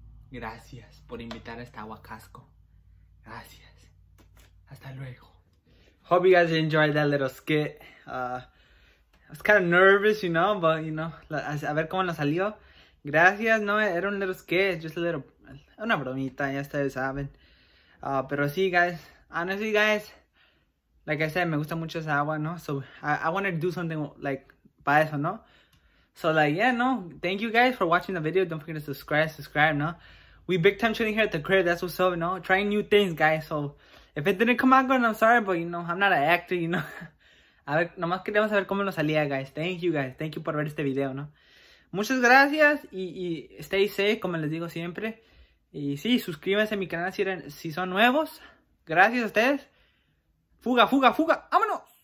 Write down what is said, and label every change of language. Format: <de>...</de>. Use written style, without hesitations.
<es>Gracias por invitar a esta agua a Costco, gracias, hasta luego.</es> <en>Hope you guys enjoyed that little skit. I was kind of nervous, you know, but, you know,</en> <es>a ver cómo nos salió. Gracias, no, era un</es> <en>little skit, just a little,</en> <es>una bromita, ya ustedes saben. Pero sí,</es> <en>guys, honestly, guys, like I said,</en> <es>me gusta mucho esa agua, ¿no?</es> <en>So, I wanted to do something, like,</en> <es>para eso, ¿no?</es> <en>So, like, yeah, no, thank you guys for watching the video. Don't forget to subscribe, ¿no? We big time shooting here at the crib, that's what's up, ¿no? Trying new things, guys, so... If it didn't come out good, I'm sorry, but, you know, I'm not an actor, you know.</en> <es>A ver, nomás queríamos saber cómo nos salía, guys.</es> <en>Thank you</en> <es>por ver este video, ¿no? Muchas gracias y</es> <en>stay safe,</en> <es>como les digo siempre. Y sí, suscríbanse a mi canal si son nuevos. Gracias a ustedes. Fuga, fuga, fuga. ¡Vámonos!</es>